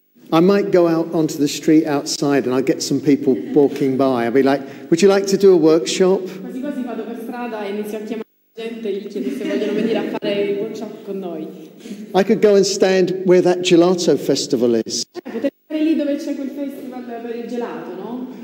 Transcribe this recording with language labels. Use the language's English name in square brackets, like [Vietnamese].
[English] I might go out onto the street outside and I'll get some people walking by. I'll be like, would you like to do a workshop? [Italian] Quasi quasi vado per strada e inizio a chiamare gente e gli chiedo se vogliono venire a fare il workshop con noi. [English] I could go and stand where that gelato festival is. [Italian] Potrei stare lì dove c'è quel festival per il gelato, no?